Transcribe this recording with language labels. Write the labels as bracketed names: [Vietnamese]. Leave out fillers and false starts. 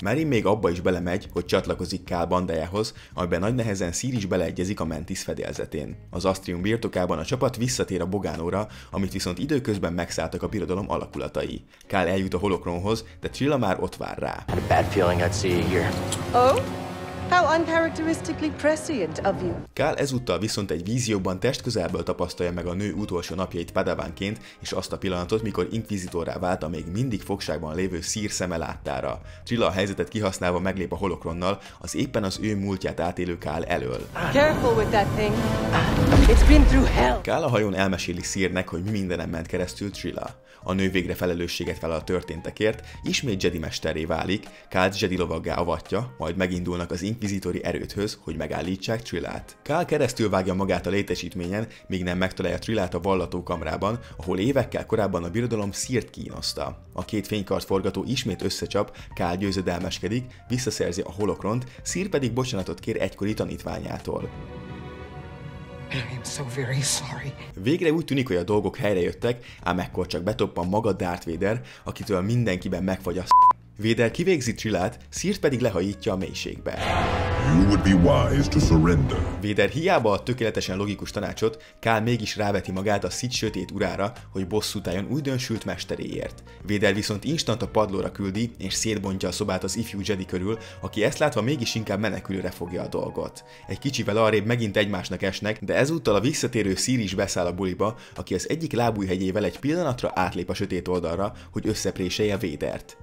[Hungarian] Merin még abba is belemegy, hogy csatlakozik Cal bandájához, amiben nagy nehezen Szír is beleegyezik a Mantis fedélzetén. Az Astrium birtokában a csapat visszatér a Bogánóra, amit viszont időközben megszálltak a birodalom alakulatai. Cal eljut a holokronhoz, de Trilla már ott vár rá. [English] Bad feeling I'd see you here. Oh? How uncharacteristically prescient of you. [Hungarian] Kál ezúttal viszont egy vízióban testközelből tapasztalja meg a nő utolsó napjait padawanként, és azt a pillanatot, mikor inkvizitorrá vált a még mindig fogságban lévő Szír szeme láttára. Trilla a helyzetet kihasználva meglép a holokronnal, az éppen az ő múltját átélő Kál elől. [English] Careful with that thing. It's been through hell. [Hungarian] Kál a hajón elmeséli Szírnek, hogy mi mindenem ment keresztül Trilla. A nő végre felelősséget vele a történtekért, ismét Jedi mesterré válik, Kált Jedi lovaggá avatja, majd megindulnak az inkvizitori erődhöz, hogy megállítsák Trillát. Kál keresztül vágja magát a létesítményen, míg nem megtalálja Trillát a vallatókamrában, ahol évekkel korábban a birodalom Szírt kínoszta. A két fénykart forgató ismét összecsap, Kál győzedelmeskedik, visszaszerzi a holokront, Szír pedig bocsánatot kér egykori tanítványától. [English] I am so very sorry. [Hungarian] Végre úgy tűnik, hogy a dolgok helyrejöttek, ám ekkor csak betoppan maga Darth Vader, akitől mindenkiben megfagy a s***. Vader kivégzi Trillát, Szírt pedig lehajítja a mélységbe. [English] You would be wise to surrender. [Hungarian] Vader hiába a tökéletesen logikus tanácsot, Kál mégis ráveti magát a Sith sötét urára, hogy bosszút álljon újdönsült mesteréért. Vader viszont instant a padlóra küldi, és szétbontja a szobát az ifjú Jedi körül, aki ezt látva mégis inkább menekülőre fogja a dolgot. Egy kicsivel arrébb megint egymásnak esnek, de ezúttal a visszatérő Szír is beszáll a buliba, aki az egyik lábujjhegyével egy pillanatra átlép a sötét oldalra, hogy összepréselje Vadert.